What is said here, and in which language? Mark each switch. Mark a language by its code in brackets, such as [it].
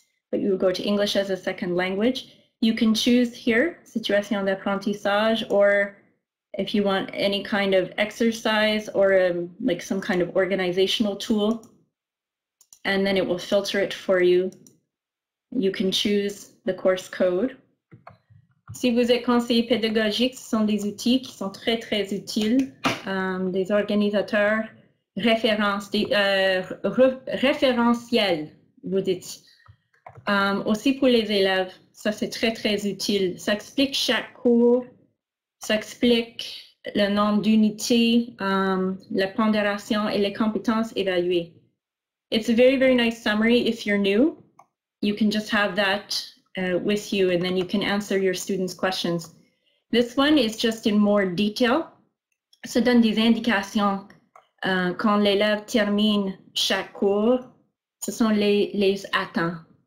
[en] But you go to English as a second language. You can choose here, situation d'apprentissage, or if you want any kind of exercise or like some kind of organizational tool, and then it will filter it for you. You can choose the course code. [fr] Si vous êtes conseiller pédagogique, ce sont des outils qui sont très, très utiles. Des organisateurs, référentiels, vous dites. Aussi pour les élèves, ça c'est très, très utile. Ça explique chaque cours, ça explique le nombre d'unités, la pondération et les compétences évaluées. [en] It's a very, very nice summary if you're new. You can just have that with you, and then you can answer your students' questions. This one is just in more detail. [fr] Ça donne des indications quand l'élève termine chaque cours, ce sont les attentes.